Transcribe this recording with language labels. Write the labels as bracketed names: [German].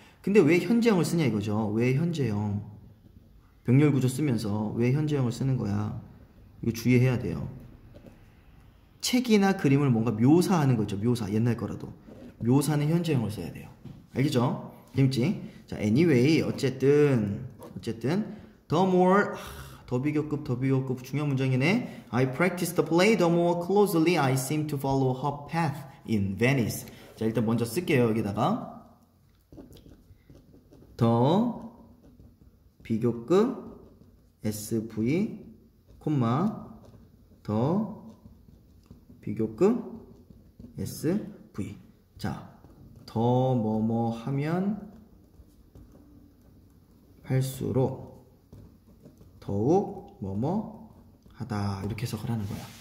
[Korean] 근데 왜 현재형을 쓰냐 이거죠. 왜 현재형? 병렬 구조 쓰면서 왜 현재형을 쓰는 거야? 이거 주의해야 돼요. 책이나 그림을 뭔가 묘사하는 거죠. 묘사. 옛날 거라도. 묘사는 현재형을 써야 돼요. 알겠죠? 재밌지? 자, anyway. 어쨌든. [English] The more. [Korean] 더비교급 중요한 문장이네. [English] I practice the play the more closely I seem to follow her path in Venice. [Korean] 자, 일단 먼저 쓸게요, 여기다가. 더 비교급 SV, 콤마, 더 비교급 SV. 자, 더 뭐뭐 하면 할수록 더욱 뭐뭐 하다 이렇게 해석을 하는 거야.